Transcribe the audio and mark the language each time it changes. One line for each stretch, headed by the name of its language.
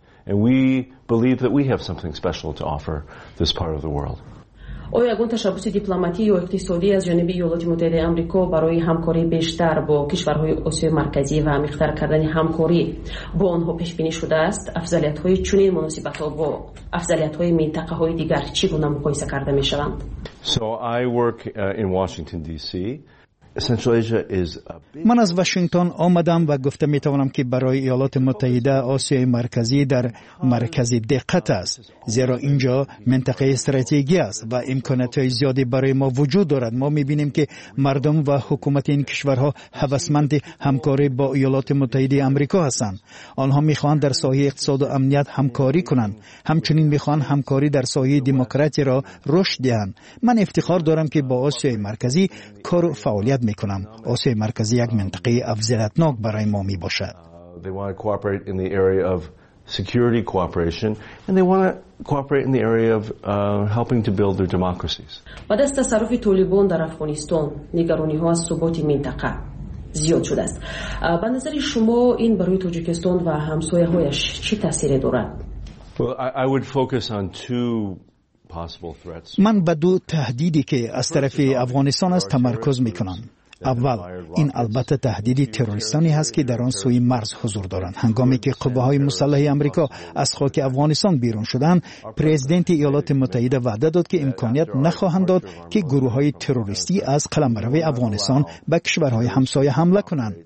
English: And we believe that we have something special to offer this part of the world.
Persian: آیا گون تشبسی دیپلماتی و اقتصادی از جانب ایالات متحده آمریکا برای همکاری بیشتر با کشورهای آسیای مرکزی و عمیق‌تر کردن همکاری با آنها پیش بینی شده است؟ افضلیت‌های چنین مناسبت‌ها با افضلیت‌های منطقه‌های دیگر چگونه مقایسه کرده می‌شوند؟
English: So I work in Washington DC. Central Asia is a big...
Persian: من از واشنگتن آمدم و گفته می توانم که برای ایالات متحده آسیای مرکزی در مرکز دقت است، زیرا اینجا منطقه استراتژی است و امکانات زیادی برای ما وجود دارد. ما می بینیم که مردم و حکومت این کشورها هوسمند همکاری با ایالات متحده آمریکا هستند. آنها می خواهند در سایه اقتصاد و امنیت همکاری کنند، همچنین می خواهند همکاری در سایه دموکراسی را رشد دهند. من افتخار دارم که با آسیای مرکزی کار فعال میکنم. آسیای مرکزی یک منطقه افضلیتناک برای ما می باشد.
English: They want to cooperate in the area of security cooperation and they want to cooperate in the area of helping to build their democracies.
Persian: بعد از تصرف طالبان در افغانستان، نگرانی ها از ثبات منطقه زیاد شده است. به نظر شما این برای تاجیکستان و همسایه هایش چی تأثیری دارد؟
English: Well, I would focus on two possible threats.
Persian: من به دو تهدیدی که از طرف افغانستان است تمرکز میکنم. اول، این البته تهدیدی تروریستانی هست که در آن سوی مرز حضور دارند. هنگامی که قوه‌های مسلح آمریکا از خاک افغانستان بیرون شدند، پرزیدنت ایالات متحده وعده داد که امکانیت نخواهند داد که گروه‌های تروریستی از قلمرو افغانستان به کشورهای همسایه حمله کنند.